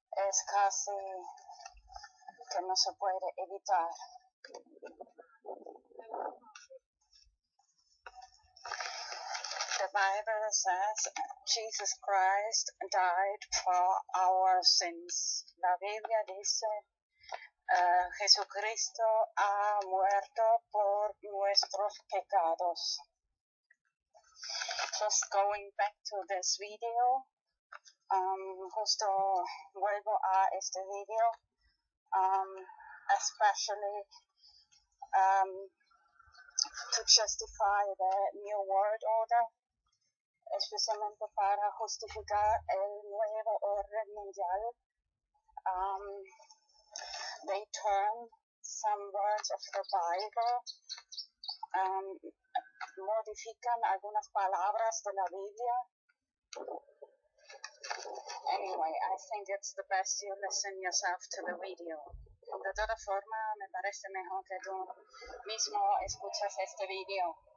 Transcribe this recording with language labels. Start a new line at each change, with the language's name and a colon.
Spanish: Es casi que no se puede evitar.
English: The Bible says Jesus Christ died for our sins.
Spanish: La Biblia dice, Jesucristo ha muerto por nuestros pecados.
English: Just going back to this video,
Spanish: justo vuelvo a este video,
English: especially to justify the new world order,
Spanish: especialmente para justificar el nuevo orden mundial.
English: They turn some words of the Bible,
Spanish: modifican algunas palabras de la Biblia.
English: Anyway, I think it's the best you listen yourself to the video.
Spanish: De toda forma, me parece mejor que tú mismo escuchas este video.